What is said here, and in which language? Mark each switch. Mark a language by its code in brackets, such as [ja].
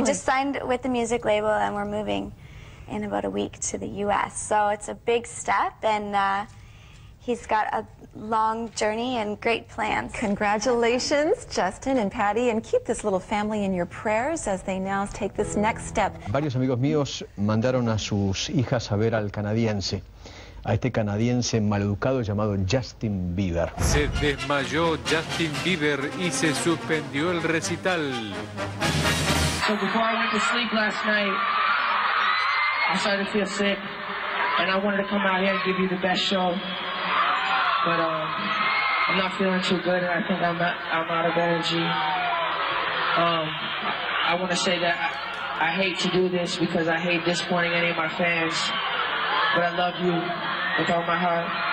[en] We just signed with the music label, and we're moving in about a week to the US. So it's a big step, and he's got a long journey and great plans. Congratulations, Justin and Patty, and keep this little family in your prayers as they now take this next step. [es] Varios amigos míos mandaron a sus hijas a ver al canadiense, a este canadiense maleducado llamado Justin Bieber. Se desmayó Justin Bieber y se suspendió el recital. [en] So before I went to sleep last night, I started to feel sick, and I wanted to come out here and give you the best show. But I'm not feeling too good, and I think I'm out of energy. I want to say that I hate to do this because I hate disappointing any of my fans. But I love you with all my heart.